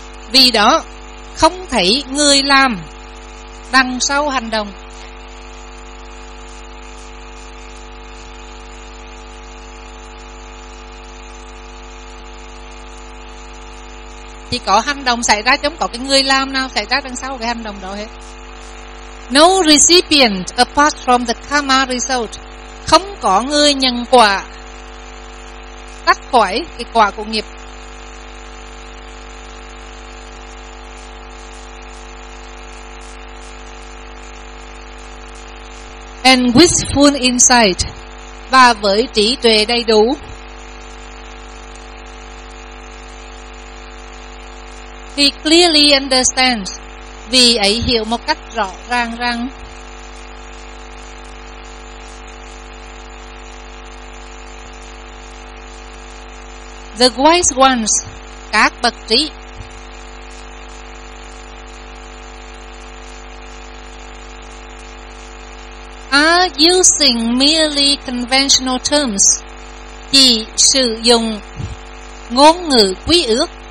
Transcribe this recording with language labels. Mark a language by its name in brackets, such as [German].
[Vietnamese] Vì đó, không thấy người làm đằng sau hành động. Chỉ có hành động xảy ra chứ không có cái người làm nào xảy ra đằng sau cái hành động đó hết. [English] No recipient apart from the karma result. [Vietnamese] Không có người nhận quả tách khỏi cái quả của nghiệp. [English] And wistful insight. [Vietnamese] Và với trí tuệ đầy đủ. [English] He clearly understands. [Vietnamese] Vì ấy hiểu một cách rõ ràng rằng [English] the wise ones, [Vietnamese] các bậc trí, [English] are using merely conventional terms, [Vietnamese] chỉ sử dụng ngôn ngữ quy ước.